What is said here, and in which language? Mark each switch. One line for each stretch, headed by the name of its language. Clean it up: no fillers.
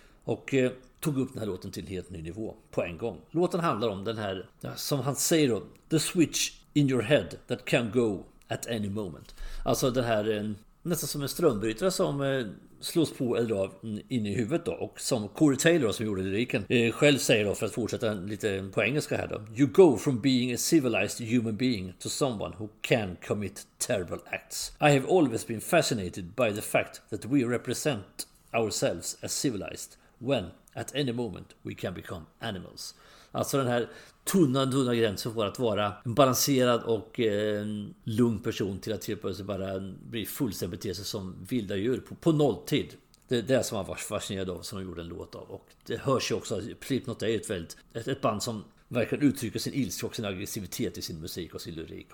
Swedish: Och tog upp den här låten till en helt ny nivå på en gång. Låten handlar om den här, som han säger då,
English: the switch in your head that can go at any moment.
Swedish: Alltså den här, nästan som en strömbrytare som slås på eller av in i huvudet då. Och som Corey Taylor som gjorde lyriken själv säger då, för att fortsätta lite på engelska här då.
English: You go from being a civilized human being to someone who can commit terrible acts. I have always been fascinated by the fact that we represent ourselves as civilized when at any moment we can become animals.
Swedish: Alltså den här tunna gränsen för att vara en balanserad och lugn person till att plötsligt bara bli fullständigt bete sig som vilda djur på nolltid. Det är det som han var fascinerad av, som han gjorde en låt av. Och det hörs ju också, Slipknot är ju ett band som verkligen uttrycker sin ilska och sin aggressivitet i sin musik och sin lyrik.